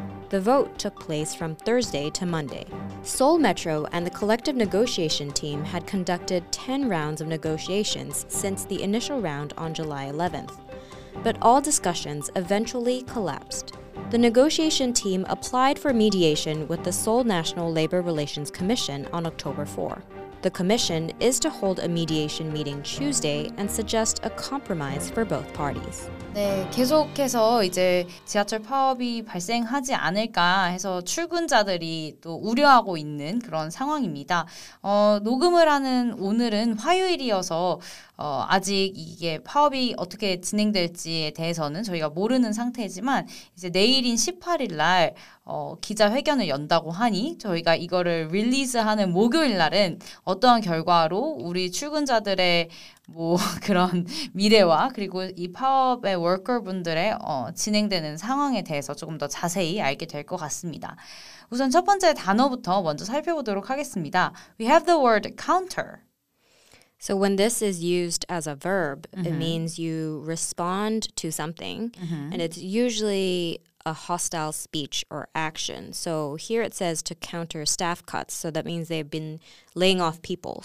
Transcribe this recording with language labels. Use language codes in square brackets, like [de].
[en] The vote took place from Thursday to Monday. Seoul Metro and the collective negotiation team had conducted 10 rounds of negotiations since the initial round on July 11th, but all discussions eventually collapsed. The negotiation team applied for mediation with the Seoul National Labor Relations Commission on October 4. The commission is to hold a mediation meeting Tuesday and suggest a compromise for both parties. [ko] 네, 계속해서 이제 지하철 파업이 발생하지 않을까 해서 출근자들이 또 우려하고 있는 그런 상황입니다. 녹음을 하는 오늘은 화요일이어서 아직 이게 파업이 어떻게 진행될지에 대해서는 저희가 모르는 상태지만 이제 내일인 18일 날 기자회견을 연다고 하니 저희가 이거를 릴리즈하는 목요일 날은 어떠한 결과로 우리 출근자들의 뭐 그런 미래와 그리고 이 파업의 워커분들의 진행되는 상황에 대해서 조금 더 자세히 알게 될 것 같습니다. 우선 첫 번째 단어부터 먼저 살펴보도록 하겠습니다. [en] We have the word counter. So when this is used as a verb, mm-hmm. it means you respond to something, mm-hmm. and it's usually a hostile speech or action. So here it says to counter staff cuts, so that means they've been laying off people.